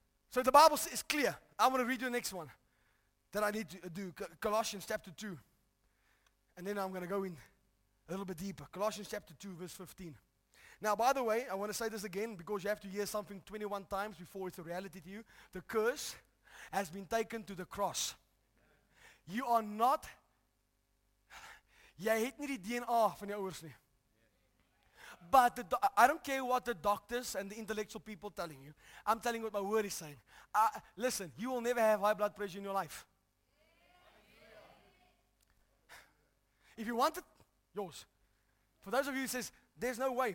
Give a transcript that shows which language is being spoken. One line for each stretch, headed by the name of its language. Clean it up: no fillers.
English: So the Bible is clear. I'm going to read you the next one that I need to do. Colossians chapter 2. And then I'm going to go in a little bit deeper. Colossians chapter 2, verse 15. Now, by the way, I want to say this again because you have to hear something 21 times before it's a reality to you. The curse has been taken to the cross. You are not,
Afrikaans: jy het nie die DNA van jou ouers nie.
English: But I don't care what the doctors and the intellectual people telling you. I'm telling what my word is saying. Listen, you will never have high blood pressure in your life. If you want it, yours. For those of you who says, there's no way.